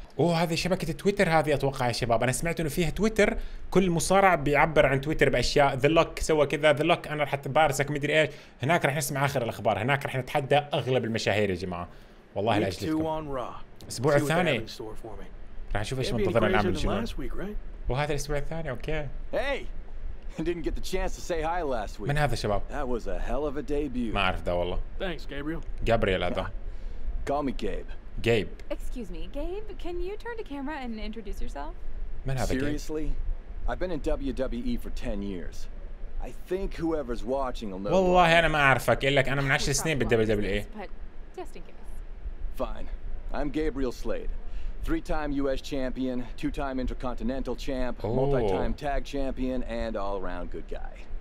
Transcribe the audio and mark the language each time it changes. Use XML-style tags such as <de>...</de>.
<ar>اوه هذه شبكه تويتر هذه اتوقع يا شباب، انا سمعت انه فيها تويتر، كل مصارع بيعبر عن تويتر باشياء، ذا لوك سوى كذا، ذا لوك انا راح اتبارزك مدري ايش، هناك راح نسمع اخر الاخبار، هناك راح نتحدى اغلب المشاهير يا جماعه. والله لاجلكم الاسبوع الثاني راح نشوف ايش منتظرنا الان من الشباب. وهذا الاسبوع الثاني اوكي.</ar> <en>Hey. Didn't get the chance to say hi last week.</en> <ar>من هذا شباب؟</ar> <en>That was a hell of a debut.</en> <ar>ما أعرف ده والله.</ar> <en>Thanks, Gabriel.</en> <ar>Gabriel هذا.</ar> <en>Call me Gabe. Gabe. Excuse me, Gabe. Can you turn to camera and introduce yourself?</en> <ar>من هذا؟</ar> <en>Seriously, Gabe? I've been in WWE for 10 years. I think whoever's watching will know.</en> <ar>والله أنا ما أعرفك، إلا أنا من 10 سنين بالWWE.</ar> <en>But just in case. Fine. I'm Gabriel Slade. Three-time U.S. champion, two-time intercontinental champ, Ooh. Multi-time tag champion, and all-around good guy.</en>